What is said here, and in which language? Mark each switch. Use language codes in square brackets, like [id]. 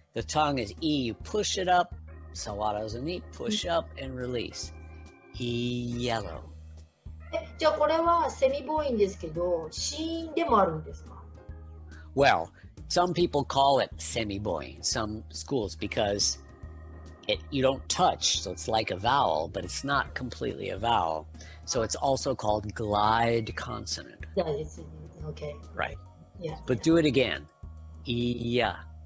[en] The tongue is E, you push it up, [ja] sawara zuni, [en] push up and release. E yellow. [ja] じゃあこれはセミ母音ですけど、子音でもあるんですか？ [en] Well, some people call it semi-boyin, some schools, because it, you don't touch, so it's like a vowel, but it's not completely a vowel. So it's also called glide consonant. Yeah, it's okay. Right. Yeah. But do it again. Yeah.